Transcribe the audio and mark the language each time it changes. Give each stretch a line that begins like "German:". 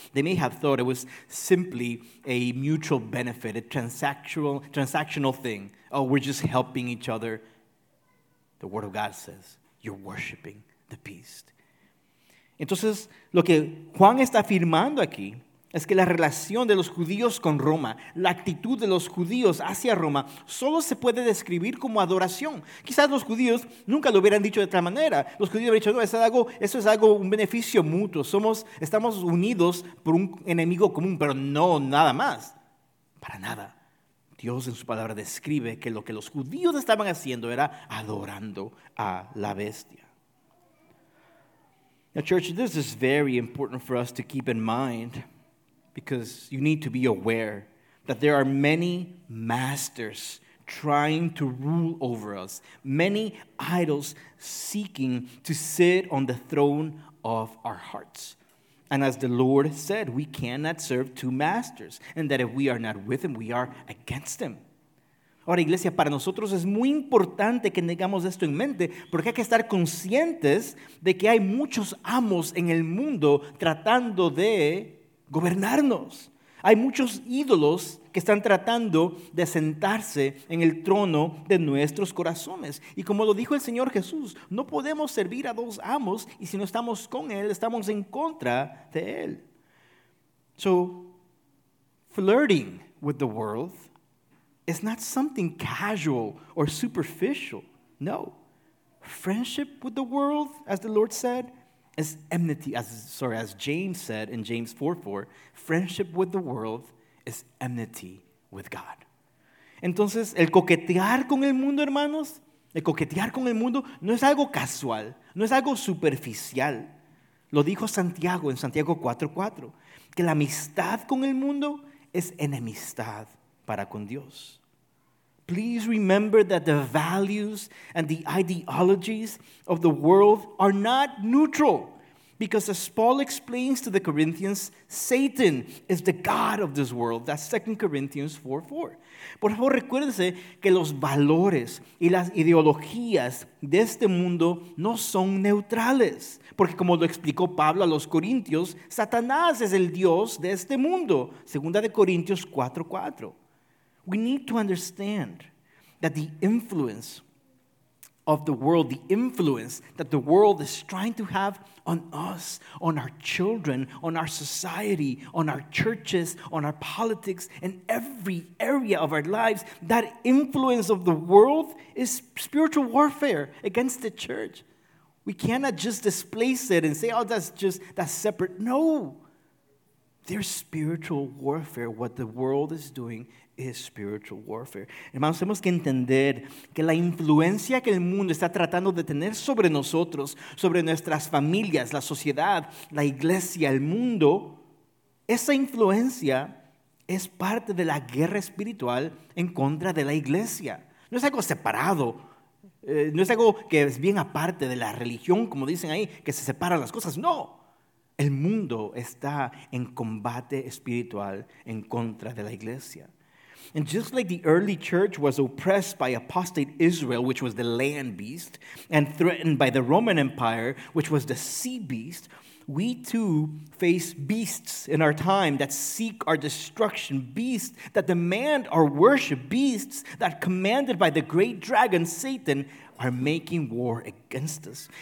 English: They may have thought it was simply a mutual benefit, a transactional thing. Oh, we're just helping each other. The word of God says, you're worshiping the beast.
Spanish: Entonces, lo que Juan está afirmando aquí es que la relación de los judíos con Roma, la actitud de los judíos hacia Roma, solo se puede describir como adoración. Quizás los judíos nunca lo hubieran dicho de otra manera. Los judíos hubieran dicho, no, eso es algo, un beneficio mutuo. Estamos unidos por un enemigo común, pero no nada más, para nada. Dios en su palabra describe que lo que los judíos estaban haciendo era adorando a la bestia.
English: Now, church, this is very important for us to keep in mind because you need to be aware that there are many masters trying to rule over us. Many idols seeking to sit on the throne of our hearts. And as the Lord said, we cannot serve two masters. And that if we are not with him, we are against him.
Spanish: Ahora, iglesia, para nosotros es muy importante que tengamos esto en mente, porque hay que estar conscientes de que hay muchos amos en el mundo tratando de gobernarnos. Hay muchos ídolos que están tratando de sentarse en el trono de nuestros corazones. Y como lo dijo el Señor Jesús, no podemos servir a dos amos, y si no estamos con él, estamos en contra de él.
English: So, flirting with the world, it's not something casual or superficial. No. Friendship with the world, as the Lord said, is enmity. As James said in James 4:4, friendship with the world is enmity with God.
Spanish: Entonces, el coquetear con el mundo, hermanos, el coquetear con el mundo no es algo casual, no es algo superficial. Lo dijo Santiago en Santiago 4:4, que la amistad con el mundo es enemistad para con Dios.
English: Please remember that the values and the ideologies of the world are not neutral. Because as Paul explains to the Corinthians, Satan is the god of this world. That's 2 Corinthians 4:4.
Spanish: Por favor, recuérdense que los valores y las ideologías de este mundo no son neutrales. Porque como lo explicó Pablo a los corintios, Satanás es el dios de este mundo. 2 Corintios 4:4.
English: We need to understand that the influence of the world, the influence that the world is trying to have on us, on our children, on our society, on our churches, on our politics, and every area of our lives, that influence of the world is spiritual warfare against the church. We cannot just displace it and say, oh, that's separate. No, there's spiritual warfare. What the world is doing is spiritual warfare.
Spanish: Hermanos, tenemos que entender que la influencia que el mundo está tratando de tener sobre nosotros, sobre nuestras familias, la sociedad, la iglesia, el mundo, esa influencia es parte de la guerra espiritual en contra de la iglesia. No es algo separado, no es algo que es bien aparte de la religión, como dicen ahí, que se separan las cosas. No, el mundo está en combate espiritual en contra de la iglesia.
English: And just like the early church was oppressed by apostate Israel, which was the land beast, and threatened by the Roman Empire, which was the sea beast, we too face beasts in our time that seek our destruction, beasts that demand our worship, beasts that commanded by the great dragon Satan are making war against us.